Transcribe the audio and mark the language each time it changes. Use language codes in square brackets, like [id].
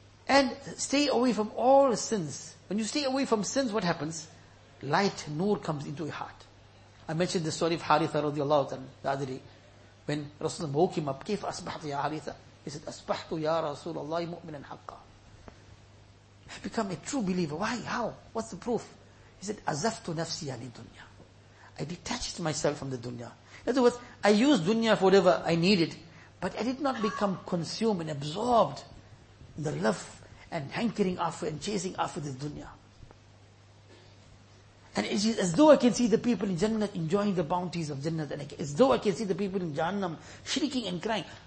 [en] And stay away from all sins. When you stay away from sins, what happens? Light, nur comes into your heart. I mentioned the story of Haritha radiallahu ta'ala the other day. When Rasulullah woke him up, [ar] كيف أصبحت يا [en] Haritha? He said, [ar] أصبحت يا رسول الله مؤمنا حقا. [en] I've become a true believer. Why? How? What's the proof? He said, [ar] أزفت نفسي على الدنيا. [en] I detached myself from the dunya. In other words, I used dunya for whatever I needed, but I did not become consumed and absorbed in the love and hankering after and chasing after this dunya. And it is as though I can see the people in Jannah enjoying the bounties of Jannah, and as though I can see the people in Jahannam shrieking and crying.